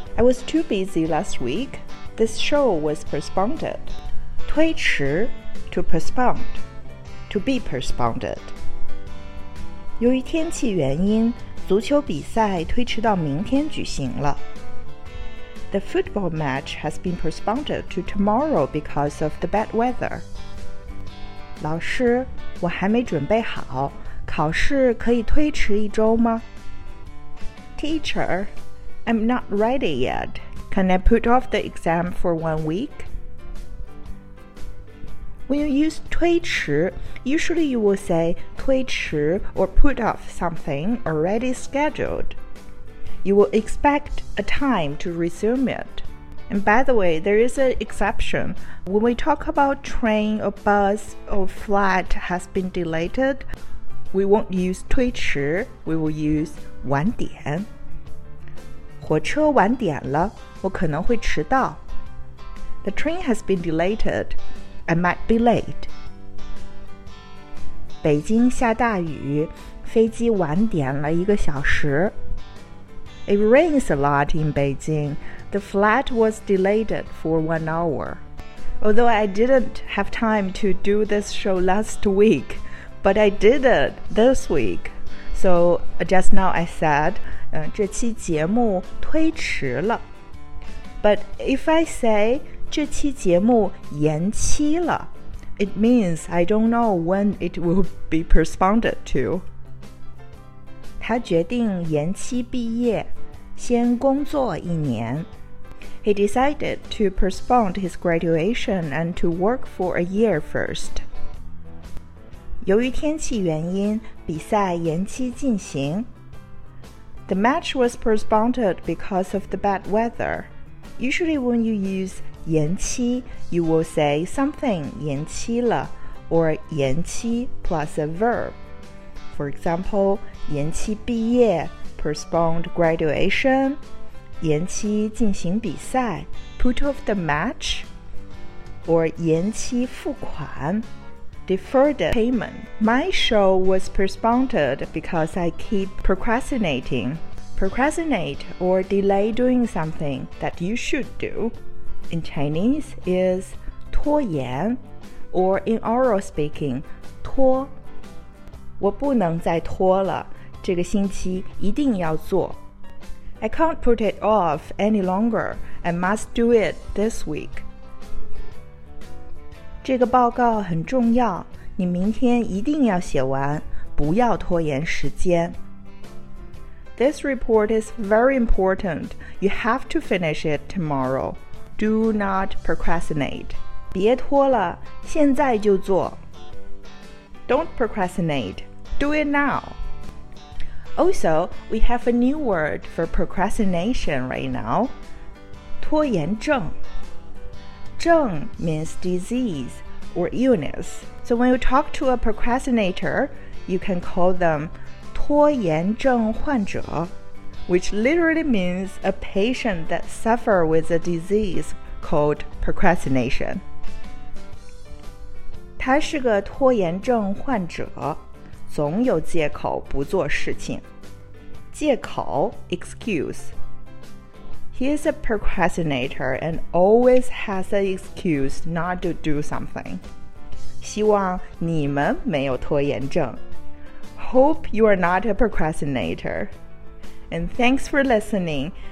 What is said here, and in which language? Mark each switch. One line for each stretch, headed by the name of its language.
English: I was too busy last week. This show was postponed. 推迟 to postpone, to be postponed.
Chinese: 由于天气原因，足球比赛推迟到明天举行了。
English: The football match has been postponed to tomorrow because of the bad weather.
Chinese: 老师，我还没准备好，考试可以推迟一周吗？
English: Teacher, I'm not ready yet. Can I put off the exam for 1 week? When you use 推迟, usually you will say 推迟 or put off something already scheduled. You will expect a time to resume it. And by the way, there is an exception. When we talk about train or bus or flight has been delayed, we won't use 推迟, we will use 晚点。
Chinese: 火车晚点了，我可能会迟到。
English: The train has been delayed. I might be late.
Chinese: 北京下大雨，飞机晚点了一个小时。
English: It rains a lot in Beijing. The flight was delayed for 1 hour. Although I didn't have time to do this show last week, but I did it this week. So just now I said,
Chinese: 这期节目推迟了。
English: But if I say,
Chinese: 这期节目延期了,
English: it means I don't know when it will be postponed to.
Chinese: 他决定延期毕业,先工作一年。
English: He decided to postpone his graduation and to work for a year first.
Chinese: 由于天气原因,比赛延期进行。
English: The match was postponed because of the bad weather. Usually when you use 延期, you will say something 延期了, or 延期 plus a verb. For example, 延期毕业, postponed graduation,
Chinese: 延期进行比赛,
English: put off the match, or
Chinese: 延期付款,
English: deferred payment. My show was postponed because I keep procrastinating. Procrastinate or delay doing something that you should do in Chinese is
Chinese: 拖延
English: or in oral speaking
Chinese: 拖我不能再拖了这个星期一定要做
English: I can't put it off any longer I must do it this week
Chinese: 这个报告很重要你明天一定要写完不要拖延时间
English: This report is very important. You have to finish it tomorrow. Do not procrastinate.
Chinese: 别拖了，现在就做。
English: Don't procrastinate. Do it now. Also, we have a new word for procrastination right now. 拖延症。症 means disease or illness. So when you talk to a procrastinator, you can call them...
Chinese: 拖延症患者
English: which literally means a patient that suffers with a disease called procrastination.
Chinese: 他是个拖延症患者，总有借口不做事情。
English: 借口 excuse. He is a procrastinator and always has an excuse not to do something.
Chinese: 希望你们没有拖延症。
English: Hope you are not a procrastinator. And thanks for listening.